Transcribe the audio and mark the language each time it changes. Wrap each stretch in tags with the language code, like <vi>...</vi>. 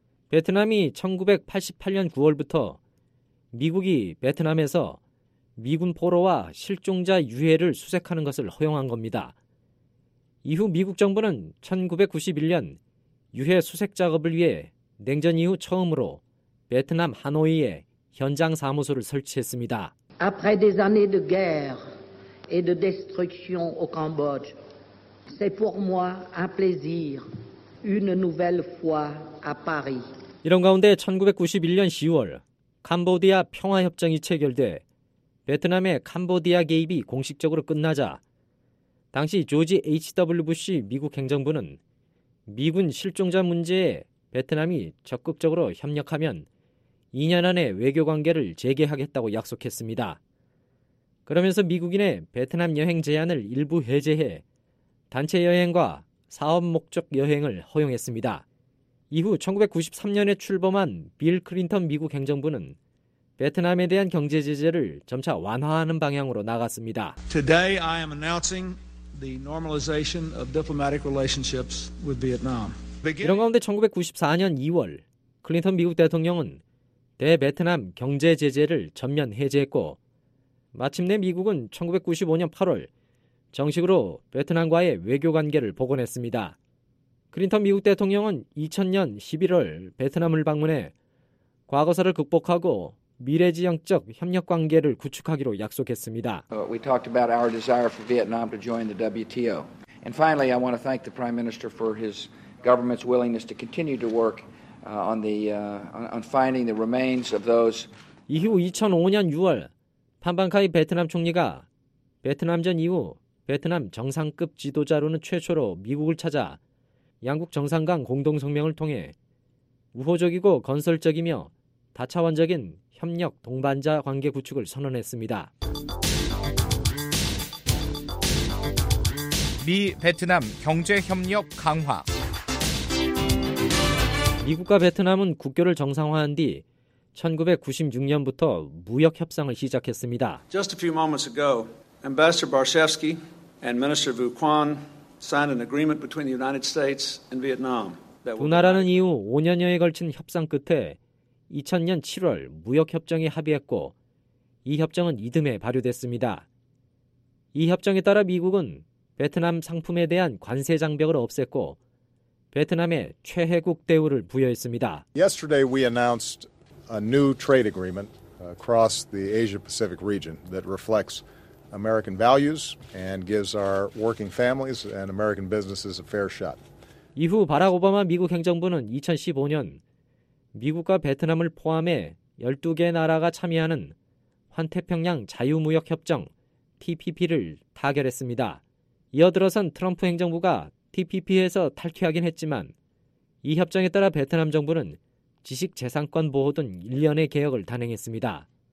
<ko>베트남이 1988년 9월부터 미국이 베트남에서 미군 포로와 실종자 유해를 수색하는 것을 허용한 겁니다. 이후 미국 정부는 1991년 유해 수색 작업을 위해 냉전 이후 처음으로 베트남 하노이에 현장 사무소를 설치했습니다.</ko> <fr>Après des années de guerre et de destruction au Cambodge, c'est pour moi un plaisir une nouvelle fois à Paris.</fr> <ko>이런 가운데 1991년 10월 캄보디아 평화협정이 체결돼 베트남의 캄보디아 개입이 공식적으로 끝나자 당시 조지 H.W. 부시 미국 행정부는 미군 실종자 문제에 베트남이 적극적으로 협력하면 2년 안에 외교관계를 재개하겠다고 약속했습니다. 그러면서 미국인의 베트남 여행 제한을 일부 해제해 단체 여행과 사업 목적 여행을 허용했습니다. 이후 1993년에 출범한 빌 클린턴 미국 행정부는 베트남에 대한 경제 제재를 점차 완화하는 방향으로 나갔습니다.</ko> <en>Today I am announcing the normalization of diplomatic relationships with Vietnam.</en> <ko>이런 가운데 1994년 2월 클린턴 미국 대통령은 대베트남 경제 제재를 전면 해제했고 마침내 미국은 1995년 8월 정식으로 베트남과의 외교 관계를 복원했습니다. 클린턴 미국 대통령은 2000년 11월 베트남을 방문해 과거사를 극복하고 미래지향적 협력 관계를 구축하기로 약속했습니다.</ko> <en>We talked about our desire for Vietnam to join the WTO. And finally, I want to thank the Prime Minister for his government's willingness to continue to work on finding the remains of those.</en> <ko>이후 2005년 6월 판방카이 베트남 총리가 베트남 전 이후 베트남 정상급 지도자로는 최초로 미국을 찾아 양국 정상 간 공동성명을 통해 우호적이고 건설적이며 다차원적인 협력 동반자 관계 구축을 선언했습니다. 미 베트남 경제협력 강화. 미국과 베트남은 국교를 정상화한 뒤 1996년부터 무역 협상을 시작했습니다.</ko> <en>Just a few moments ago, Ambassador Barshevsky and Minister Vu Quan signed an agreement between the United States and Vietnam.</en> <ko>두 나라는 이후 5년여에 걸친 협상 끝에 2000년 7월 무역협정에 합의했고 이 협정은 이듬해 발효됐습니다. 이 협정에 따라 미국은 베트남 상품에 대한 관세 장벽을 없앴고 베트남에 최혜국 대우를 부여했습니다.</ko> <en>Yesterday we announced a new trade agreement across the Asia-Pacific region that reflects American values and gives our working families and American businesses a fair shot.</en> <ko>이후 바락 오바마 미국 행정부는 2015년 미국과 베트남을 포함해 12개 나라가 참여하는 환태평양 자유무역협정 TPP를 타결했습니다. 이어들어선 트럼프 행정부가 TPP에서 탈퇴하긴 했지만 이 협정에 따라 베트남 정부는 지식재산권 보호 등 일련의 개혁을 단행했습니다.</ko>